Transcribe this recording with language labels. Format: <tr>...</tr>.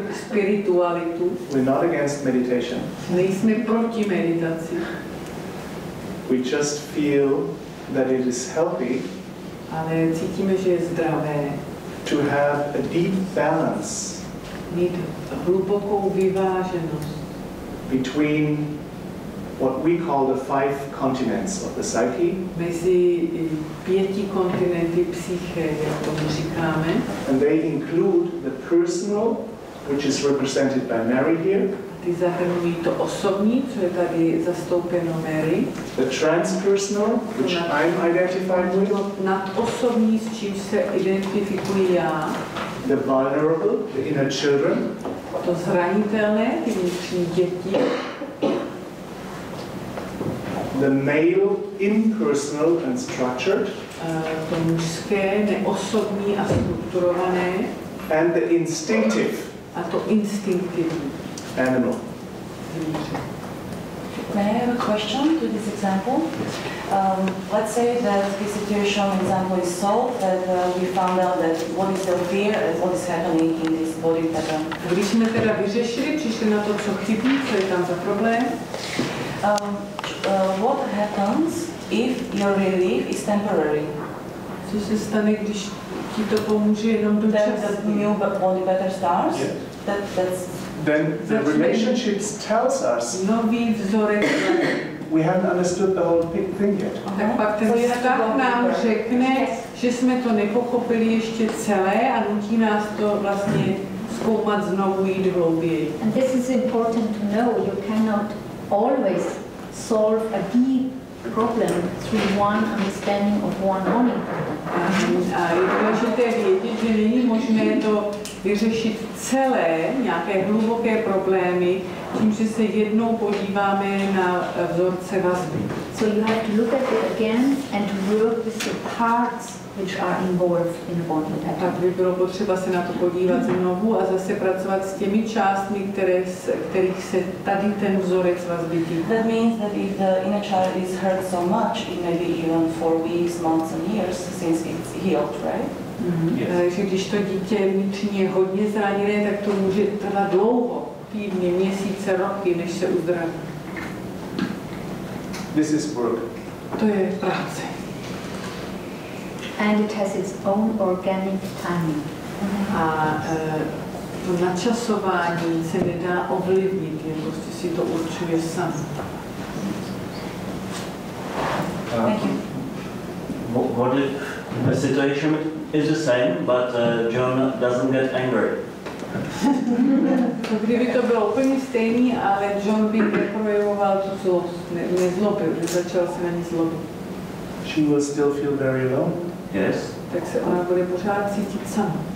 <en>We're not against meditation. We just feel that it is healthy to have a deep balance between what we call the five continents of the psyche.</en> <cs>Mezi pěti kontinenty psyché, jak to říkáme.</cs> <en>And they include the personal, which is represented by Mary here.</en> <cs>Ty zahrnují to osobní, co je tady zastoupeno Mary.</cs> <en>The transpersonal, which I'm identified with.</en> <cs>Nadosobní, s čím se identifikuji já.</cs> <en>The vulnerable, the inner children.</en> <cs>To zranitelné, ty vnitřní děti.</cs> <en>The male, impersonal and structured.</en> <cs>To mužské, neosobní a strukturované.</cs> <en>And the instinctive.</en> <cs>A to instinctivní.</cs> <en>Animal. May I have a question to this example? Let's say that the situation example is solved, that we found out that what is the fear and what is happening in this body pattern.</en> <cs>Když jsme teda vyřešili, přišli na to, co chybí, co je tam za problém.</cs> <en>What happens if your relief is temporary?</en> <cs>Co se stane, když ti to pomůže jenom dočasně?</cs> <en>That new body better starts? Yeah. That's then the relationships tells us</en> <cs>nový vzorec.</cs> <en>We haven't understood the whole big thing yet.</en> <cs>Tak pak ten vztah nám řekne, že jsme to nepochopili ještě celé a nutí nás to vlastně zkoumat znovu, jít hlouběji.</cs> <en>And this is important to know, you cannot always solve a deep problem through one understanding of one only.</en> <cs>A je důležité vědět, že není možné to vyřešit celé nějaké hluboké problémy, tím, že se jednou podíváme na vzorce vazby.</cs> <en>So you have to look at it again and work with the parts which are involved in the body pattern.</en> <cs>Tak by bylo potřeba se na to podívat znovu a zase pracovat s těmi částmi, kterých se tady ten vzorec vazby týká.</cs> <en>That means that if the inner child is hurt so much, it may be even for weeks, months and years since it's healed, right? Mm-hmm. Yes.</en> <cs>Takže když to dítě vnitřní je hodně zraněné, tak to může trvat dlouho, týdny, měsíce, roky, než se uzdraví.</cs> <en>This is work.</en> <cs>To je práce.</cs> <en>And it has its own organic timing. Mm-hmm.</en> <cs>A to načasování se nedá ovlivnit, jen prostě si to určuje sám.</cs> <en>Thank you. What if the situation is the same, but John doesn't get angry?</en> <cs>Kdyby to bylo úplně stejný, ale John by neprojevoval tu zlost, nezlobil, nezačal se na ní zlobit.</cs> <en>She will still feel very low. Yes.</en> <cs>Tak se ona bude pořád cítit sama.</cs>